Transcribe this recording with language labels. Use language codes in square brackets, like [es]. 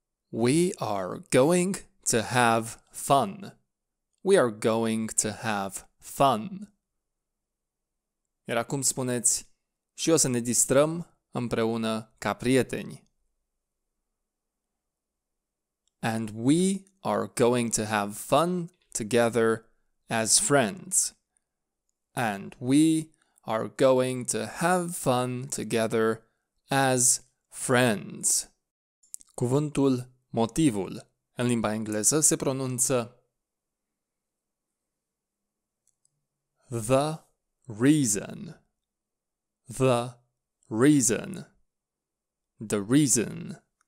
[en] We are going to have fun. We are going to have fun. [ro] Iar acum spuneți, și o să ne distrăm împreună ca prieteni. [en] And we are going to have fun together as friends. And we are going to have fun together as friends. [ro] Cuvântul motivul în limba engleză se pronunță [en] the reason. The reason. The reason.